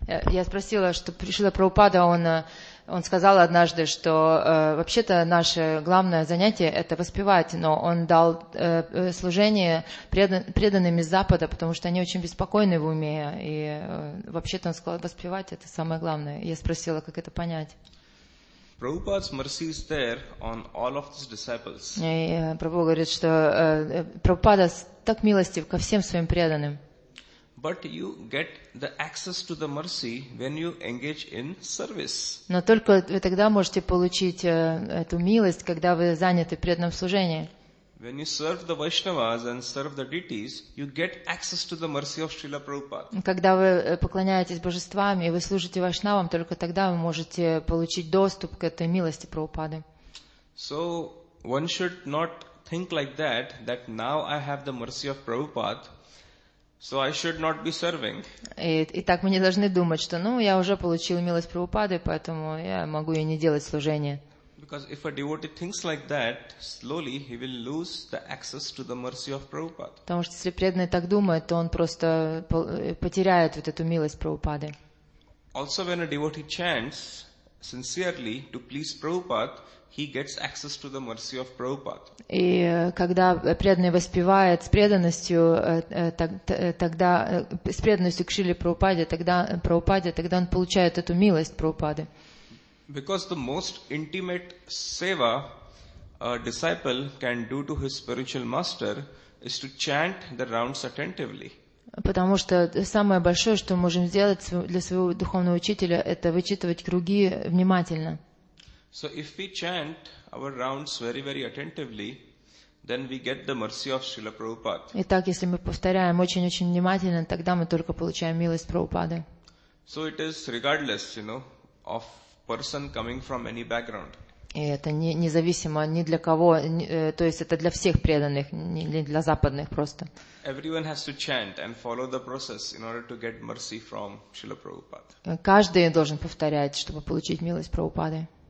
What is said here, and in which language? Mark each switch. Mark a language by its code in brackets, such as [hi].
[ru] Я спросила, что Шрила Прабхупада, он сказал однажды, что вообще-то наше главное занятие — это воспевать, но он дал служение преданным из Запада, потому что они очень беспокойны в уме, и вообще-то он сказал, воспевать — это самое главное. Я спросила, как это понять. [en] Prabhupada's mercy is there on all of his disciples. [ru] И Прабху говорит, что Прабхупада так милостив ко всем своим преданным. [en] But you get the access to the mercy when you engage in service. [ru] Но только вы тогда можете получить эту милость, когда вы заняты преданным служением. [en] When you serve the Vaishnavas and serve the deities, you get access to the mercy of Srila Prabhupada. [ru] Когда вы поклоняетесь божествам и вы служите вайшнавам, только тогда вы можете получить доступ к этой милости Прабхупады. [en] So one should not think like that now I have the mercy of Prabhupada. So I should not be serving. [ru] И так мы не должны думать, что, ну, я уже получил милость Прабхупады, поэтому я могу и не делать служение. [en] Because if a devotee thinks like that, slowly he will lose the access to the mercy of Prabhupada. [ru] Потому что если преданный так думает, то он просто потеряет вот эту милость Прабхупады. [en] Also, when a devotee chants sincerely to please Prabhupada, he gets access to the mercy of Prabhupada. [ru] И когда преданный воспевает с преданностью, тогда с преданностью к Шриле Прабхупаде, тогда он получает эту милость Прабхупады. [en] Because the most intimate seva a disciple can do to his spiritual master is to chant the rounds attentively. [ru] Потому что самое большое, что мы можем сделать для своего духовного учителя, это вычитывать круги внимательно. [en] So if we chant our rounds very, very attentively, then we get the mercy of Srila Prabhupada. [ru] Итак, если мы повторяем очень-очень внимательно, тогда мы только получаем милость Прабхупады. [en] So it is regardless, you know, of person coming from any background. [ru] И это независимо ни для кого, то есть это для всех преданных, не для западных просто. [en] Everyone has to chant and follow the process in order to get mercy from Srila Prabhupada. [ru] Каждый должен повторять, чтобы получить милость Прабхупады.